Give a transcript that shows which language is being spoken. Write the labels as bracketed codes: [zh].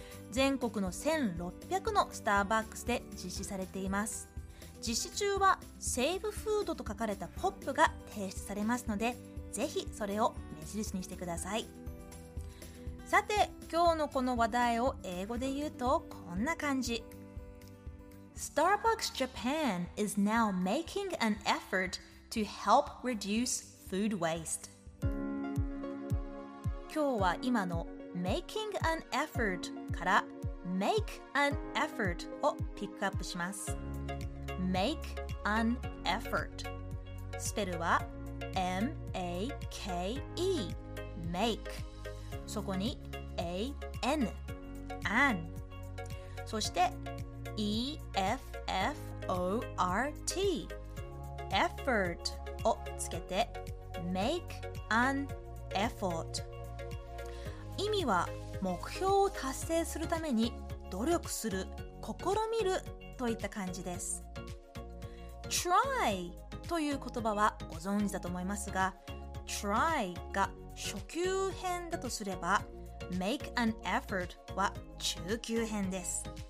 [ja] 全国の1600のスターバックスで実施されています。実施中はセーフフードと書かれたポップが提出されますので、ぜひそれを目印にしてください。さて今日のこの話題を英語で言うとこんな感じ。 [en] Starbucks Japan is now making an effort to help reduce food waste。 [ja] 今日は今の [en] making an effort [ja] から [en] make an effort [ja] をピックアップします。 [en] make an effort、 [ja] スペルは M-A-K-E、 make、そこに A-N、 an、 そして E-F-F-O-R-T、 effort をつけて make an effort。意味は目標を達成するために努力する、試みるといった感じです。 try という言葉はご存知だと思いますが、 try が初級編だとすれば [en] make an effort [ja] は中級編です。